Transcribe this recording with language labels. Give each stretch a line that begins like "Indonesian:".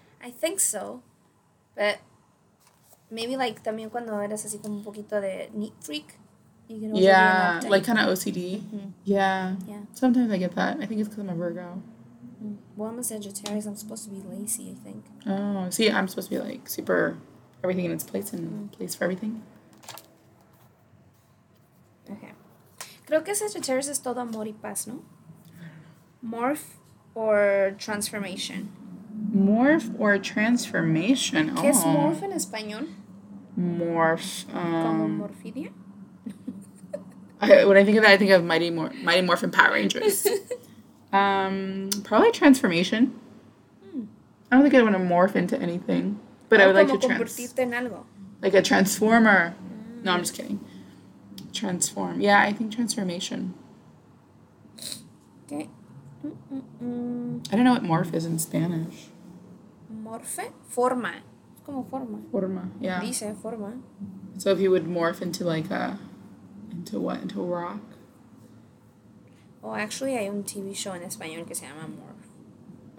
English: I think so. But maybe, like,
Spanish: también cuando eres así como un poquito de
English: neat freak. Yeah, like kind of OCD. Mm-hmm. Yeah. Yeah. Sometimes I get that. I think it's because I'm a Virgo. Well, I'm a Sagittarius. I'm supposed to be lazy, I think. Oh, see, I'm supposed to be, like, super everything in its place and place for everything.
Spanish: Creo que Sagittarius es todo amor y paz, ¿no?
English: Morph or transformation? Morph or transformation?
Spanish: ¿Qué es morph en español?
English: Morph.
Spanish: ¿Como morfidia?
English: When I think of that, I think of Mighty Morphin Power Rangers. probably transformation. Hmm. I don't think I want to morph into anything, but I would like to
Spanish: convertirte en algo.
English: Like a transformer. Mm. No, I'm just kidding. Transform. Yeah, I think transformation. Okay. I don't know what morph is in Spanish. Morfe? Forma. It's como forma.
Spanish: Forma, yeah. Dice forma.
English: So if he would morph into like a... Into what? Into a rock? Oh, actually,
Spanish: hay un TV show en español que se llama Morph.